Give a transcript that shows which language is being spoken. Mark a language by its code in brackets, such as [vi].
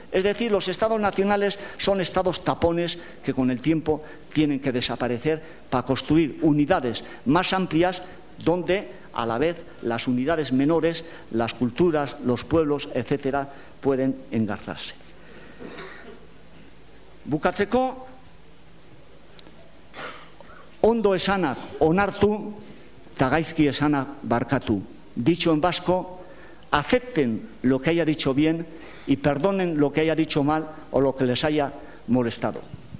[es] Es decir, los estados nacionales son estados tapones que con el tiempo tienen que desaparecer para construir unidades más amplias donde, a la vez, las unidades menores, las culturas, los pueblos, etcétera, pueden engarzarse. [eu] Bukatzeko, ondo esanak onartu, eta gaizki esanak barkatu. [es] Dicho en vasco, acepten lo que haya dicho bien y perdonen lo que haya dicho mal o lo que les haya molestado.